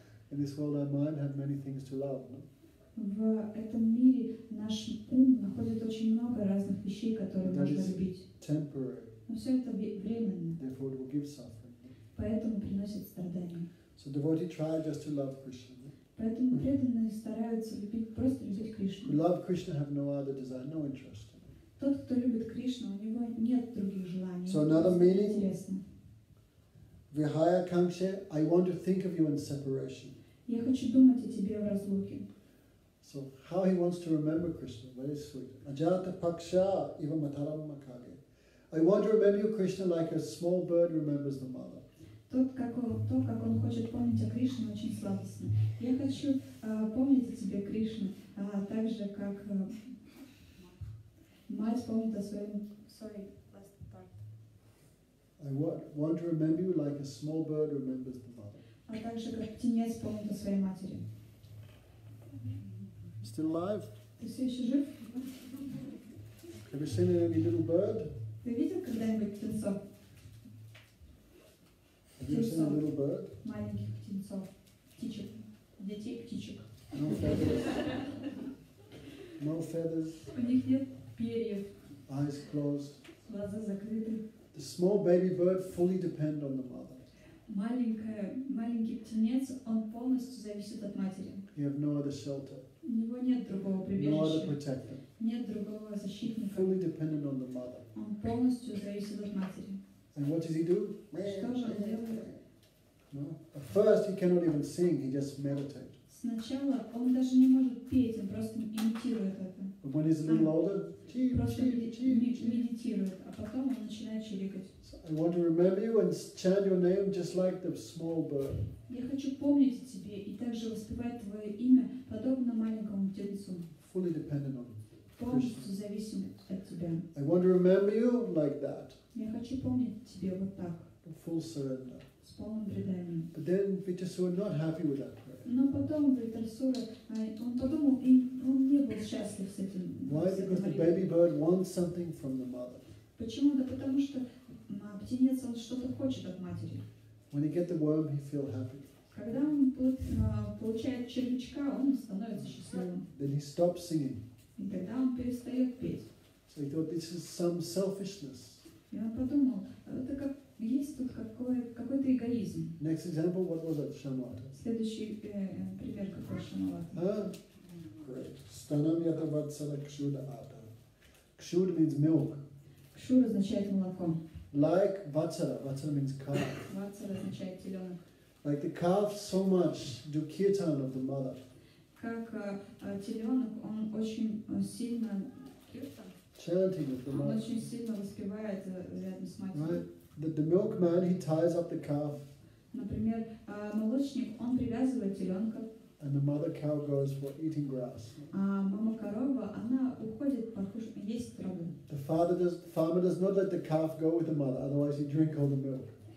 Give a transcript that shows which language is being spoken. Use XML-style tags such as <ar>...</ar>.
<en>In this world, our mind has many things to love. No?</en> <ru>В этом мире наш ум находит очень много разных вещей, которые можно любить.</ru> <en>Temporary.</en> <ru>Но все это временно.</ru> <en>Therefore, it will give suffering.</en> <ru>Поэтому приносит страдания.</ru> <en>So devotees try just to love Krishna.</en> <ru>Поэтому преданные стараются любить просто любить Кришну.</ru> <en>Love Krishna have no other desire, no interest.</en> <ru>Тот, кто любит Кришну, у него нет других желаний.</ru> <en>So another meaning.</en> <sa>Vihaya kamshe,</sa> <en>I want to think of you in separation.</en> <ru>Я хочу думать о тебе в разлуке.</ru> <en>So how he wants to remember Krishna, very sweet.</en> <sa>Ajata paksha eva mataram makage.</sa> <en>I want to remember you, Krishna, like a small bird remembers the mother.</en> <ru>То, как он хочет помнить о Кришне, очень сладостно. Я хочу помнить о тебе, Кришна, так же, как мать помнит о своем...</ru> <en>Sorry, last part. I want to remember you like a small bird remembers the mother.</en> <ru>А также, как птенец помнит о своей матери.</ru> <en>Still alive?</en> <ru>Ты все еще жив?</ru> <en>Have you seen any little bird?</en> <ru>Ты видел когда-нибудь птенцов?</ru> <en>Have you seen a little bird?</en> <ru>Маленьких птенцов, птичек, детей птичек.</ru> <en>No feathers. No feathers.</en> <ru>У них нет перьев.</ru> <en>Eyes closed.</en> <ru>Глаза закрыты.</ru> <en>The small baby bird fully depend on the mother.</en> <ru>Маленький птенец, он полностью зависит от матери.</ru> <en>You have no other shelter.</en> <ru>У него нет другого прибежища.</ru> <en>No other protector.</en> <ru>Нет другого защитника.</ru> <en>Fully dependent on the mother.</en> <ru>Он полностью зависит от матери.</ru> <en>And what does he do?</en> <ru>Что же он делает?</ru> <en>No. At first he cannot even sing, he just meditates.</en> <ru>Сначала он даже не может петь, он просто имитирует это.</ru> <en>But when he's a little older,</en> <ru>медитирует, а потом он начинает чирикать.</ru> <en>So I want to remember you and chant your name just like the small bird.</en> <ru>Я хочу помнить о тебе и также воспевать твое имя, подобно маленькому птенцу.</ru> <en>Fully dependent on</en> <ru>полностью зависим от тебя.</ru> <en>I want to remember you like that.</en> <ru>Я хочу помнить тебе вот так.</ru> <en>Full surrender.</en> <ru>С полным преданием.</ru> <en>But then Vitasura not happy with that prayer.</en> <ru>Но потом Vitasura, он подумал, и он не был счастлив с этим.</ru> <en>Why? Because the baby bird wants something from the mother.</en> <ru>Почему? Да потому что птенец он что-то хочет от матери.</ru> <en>When he get the worm, he feel happy.</en> <ru>Когда он получает червячка, он становится счастливым.</ru> <en>Then he stops singing.</en> <ru>И тогда он перестает петь.</ru> <en>So he thought this is some selfishness.</en> <ru>И он подумал, это как есть тут какой-то эгоизм.</ru> <en>Next example, what was it, Shamata?</en> <ru>Следующий пример какой Шамата?</ru> <en>Great.</en> <sa>Станам ята ватсала кшуда ата.</sa> <en>Кшуд means milk.</en> <ru>Кшуд означает молоко.</ru> <en>Like ватсала. Ватсала means calf.</en> <ru>Ватсала означает теленок.</ru> <en>Like the calf so much do kirtan of the mother.</en> <ru>Как теленок, он очень сильно kirtan.</ru> <en>Chanting of the mother. Right. The milkman he ties up the calf.</en> <ru>Например, молочник он привязывает теленка.</ru> <en>And the mother cow goes for eating grass.</en> <ru>А мама корова она уходит покушать есть траву.</ru> <en>The farmer does not let the calf go with the mother, otherwise he drink all the milk.</en>